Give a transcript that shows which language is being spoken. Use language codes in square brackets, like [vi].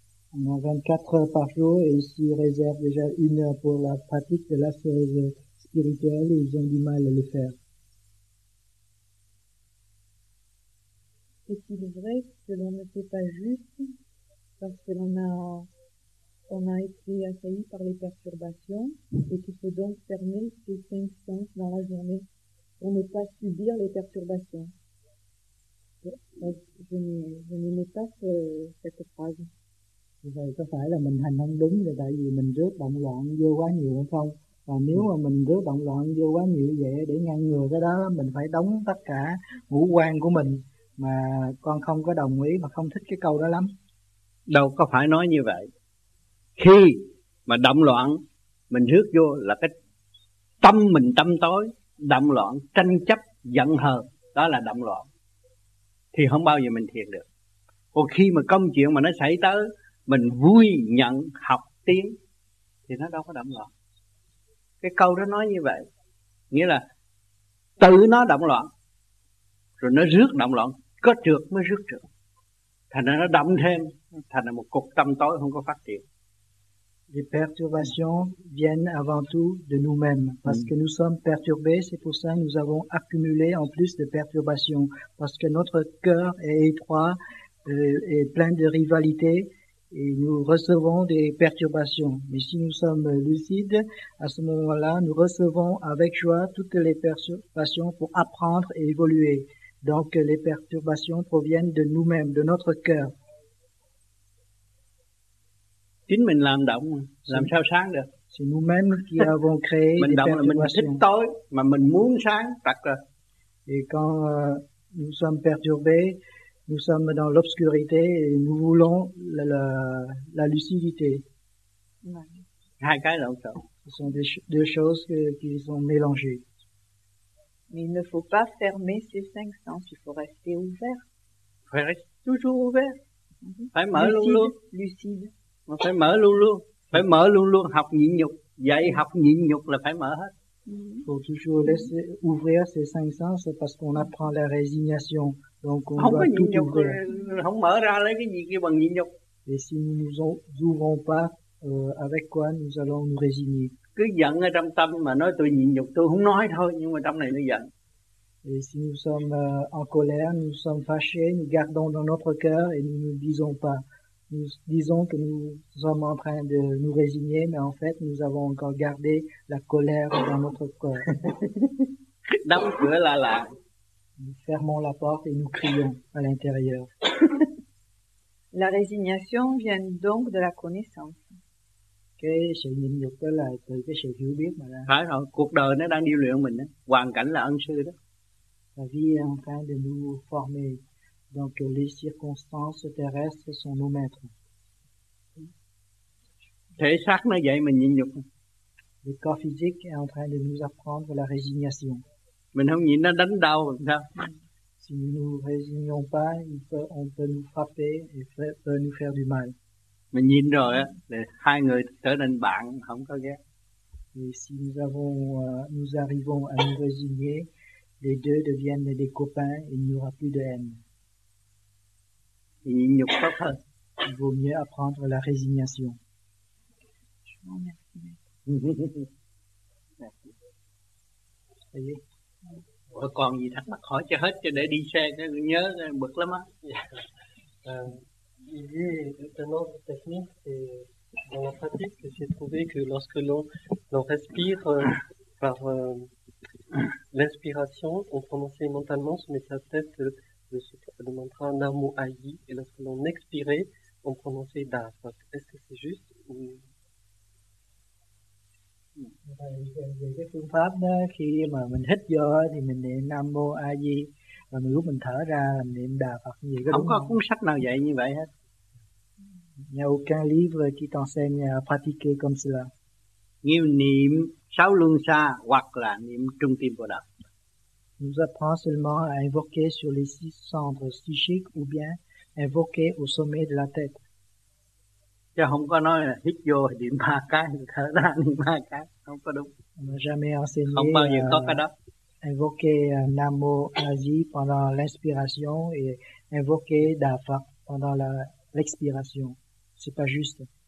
[fr] On a 24 heures par jour et ils réservent déjà 1 heure pour la pratique de la chose spirituelle et ils ont du mal à le faire. Est-il vrai que l'on ne fait pas juste parce que l'on a été assailli par les perturbations et qu'il faut donc fermer ses 5 sens dans la journée pour ne pas subir les perturbations. Je n'aimais pas cette phrase. [vi] Vậy có phải là mình hành không đúng là tại vì mình rước động loạn vô quá nhiều hay không? Và nếu mà mình rước động loạn vô quá nhiều vậy để ngăn ngừa cái đó, mình phải đóng tất cả ngũ quan của mình. Mà con không có đồng ý và không thích cái câu đó lắm. Đâu có phải nói như vậy. Khi mà động loạn mình rước vô là cái tâm mình tâm tối, động loạn, tranh chấp, giận hờn, đó là động loạn, thì không bao giờ mình thiền được. Còn khi mà công chuyện mà nó xảy tới, mình vui nhận học tiếng, thì nó đâu có động loạn. Cái câu đó nói như vậy, nghĩa là tự nó động loạn, rồi nó rước động loạn, có trượt mới rước trượt, thành ra nó động thêm, thành ra một cục tâm tối không có phát triển. [fr] Les perturbations viennent avant tout de nous-mêmes, parce que nous sommes perturbés, c'est pour ça que nous avons accumulé en plus de perturbations, parce que notre cœur est étroit et plein de rivalité, et nous recevons des perturbations. Mais si nous sommes lucides, à ce moment-là, nous recevons avec joie toutes les perturbations pour apprendre et évoluer. Donc les perturbations proviennent de nous-mêmes, de notre cœur. [vi] Chính mình làm động, làm sao sáng được. [fr] C'est nous-mêmes qui avons créé [vi] mình động là mình thích tối, mà mình muốn sáng, tắt rồi. [fr] Et quand nous sommes perturbés, Nous sommes dans l'obscurité et nous voulons la lucidité. [vi] Hai cái lộn xộn. [fr] Ce sont deux choses qui sont mélangées. Mais il ne faut pas fermer ces cinq sens, il faut rester ouvert. Il faut rester toujours ouvert. [vi] Phải mở luôn luôn. [fr] Lucide. [vi] Mà phải mở luôn luôn. Phải mở luôn luôn, học nhịn nhục. Dạy học nhịn nhục là phải mở hết. [fr] Il faut toujours laisser ouvrir ces cinq sens parce qu'on apprend la résignation. Donc on doit tout ouvrir. [vi] Không mở ra lấy cái gì kia bằng nhịn nhục. [fr] Et si nous ne nous ouvrons pas, avec quoi nous allons nous résigner? [vi] Cứ giận ở trong tâm mà nói tôi nhịn nhục, tôi không nói thôi, nhưng mà trong này nó giận. [fr] Et si nous sommes en colère, nous sommes fâchés, nous gardons dans notre cœur et nous ne disons pas. Nous disons que nous sommes en train de nous résigner, mais en fait, nous avons encore gardé la colère dans notre corps. [vi] Đóng cửa là là. [fr] Nous fermons la porte et nous crions à l'intérieur. La résignation vient donc de la connaissance. [vi] Cái sự nhịn nhục đó là từ cái sự hiểu biết mà ra. Phải rồi, cuộc đời nó đang điều luyện mình, hoàn cảnh là ân sư đó. [fr] La vie est en train de nous former. Donc les circonstances terrestres sont nos maîtres. [vi] Thể xác nó dạy mình nhịn nhục. [fr] Le corps physique est en train de nous apprendre la résignation. [vi] Mình không nhịn nó đánh đau. [fr] Si nous ne nous résignons pas, on peut nous frapper et peut nous faire du mal. [vi] Mình nhịn rồi, hai người trở nên bạn, không có ghét. [fr] Et si nous arrivons à nous résigner, les deux deviennent des copains et il n'y aura plus de haine. [vi] Nhịn nhục tốt hơn. [fr] Il vaut mieux apprendre la résignation. Je vous remercie. Merci. Ça y est. Ouais, [vi] còn gì thắc mắc hỏi cho hết, cho để đi xe, cho nhớ, bực lắm á. [fr] Il y a une autre technique, c'est dans la pratique, que j'ai trouvé que lorsque l'on respire par l'inspiration, on prononçait mentalement, on mettait sa tête le mantra Namo Aji, et lorsque l'on expirait, on prononçait Da. Donc, est-ce que c'est juste ou... [vi] Cái phương pháp đó, khi mà mình hít vô thì mình niệm Nam Mô A Di, và mình lúc mình thở ra mình niệm Đà Phật gì không có cuốn sách nào dạy như vậy hết. [fr] Il n'y a aucun livre qui t'enseigne à pratiquer comme cela. [vi] Niệm sáu luân xa hoặc là niệm trung tâm Bồ Đề. [fr] Nous apprend seulement à invoquer sur les six centres psychiques ou bien invoquer au sommet de la tête. [vi] Chứ không có nói là hít vô niệm ba cái, thở ra niệm ba cái, không có đúng. [fr] On n'a jamais enseigné. [vi] Không bao giờ có cái đó. [fr] Invoquer Namo Aji pendant l'inspiration et invoquer Da Phật pendant l'expiration, c'est pas juste.